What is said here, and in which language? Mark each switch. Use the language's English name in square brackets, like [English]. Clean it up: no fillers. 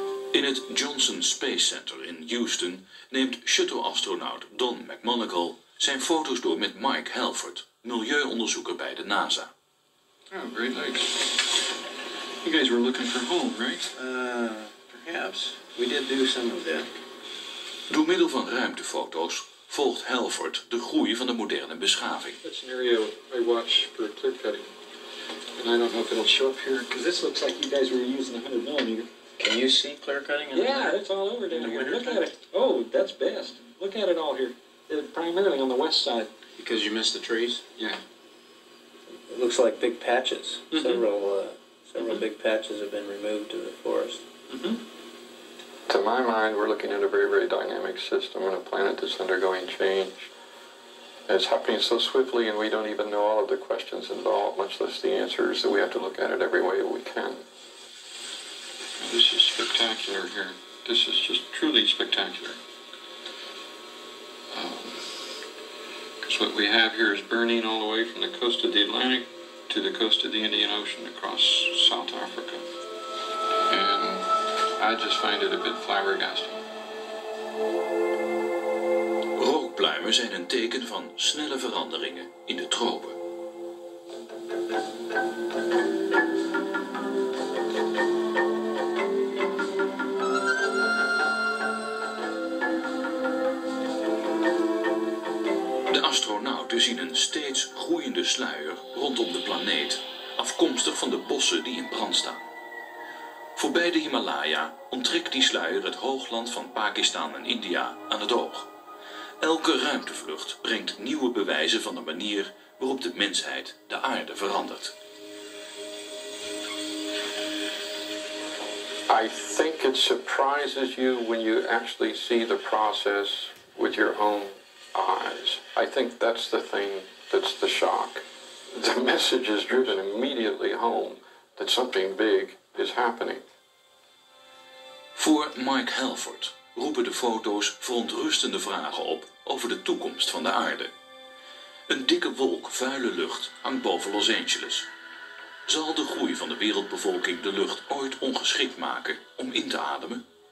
[Dutch] In het Johnson Space Center in Houston neemt shuttle-astronaut Don McMonagle zijn foto's door met Mike Helford, milieuonderzoeker bij de NASA. [English] Oh, great lake. You guys were looking for home, right? Perhaps. We did do some of that. [Dutch] Door middel van ruimtefoto's volgt Helford de groei van de moderne beschaving. [English] That's an area I watch for clear cutting. And I don't know if it'll show up here, because this looks like you guys were using 100 millimeter. Can you see clear cutting? Yeah, it's all over down here. Look at it. Oh, that's best. Look at it all here. Primarily on the west side. Because you missed the trees? Yeah. It looks like big patches. Several mm-hmm. big patches have been removed to the forest. Mm-hmm. To my mind, we're looking at a very, very dynamic system and a planet that's undergoing change. It's happening so swiftly and we don't even know all of the questions involved, much less the answers, that we have to look at it every way we can. This is spectacular here. This is just truly spectacular. Because what we have here is burning all the way from the coast of the Atlantic to the coast of the Indian Ocean across South Africa. And I just find it a bit flabbergasting. [Dutch] Rookpluimen zijn een teken van snelle veranderingen in de tropen. Astronauten zien een steeds groeiende sluier rondom de planeet, afkomstig van de bossen die in brand staan. Voorbij de Himalaya onttrekt die sluier het hoogland van Pakistan en India aan het oog. Elke ruimtevlucht brengt nieuwe bewijzen van de manier waarop de mensheid de aarde verandert. [English] I think it surprises you when you actually see the process with your own eyes. I think that's the thing that's the shock. The message is driven immediately home that something big is happening. [Dutch] Voor Mike Helfert roepen de foto's verontrustende vragen op over de toekomst van de aarde. Een dikke wolk vuile lucht hangt boven Los Angeles. Zal de groei van de wereldbevolking de lucht ooit ongeschikt maken om in te ademen?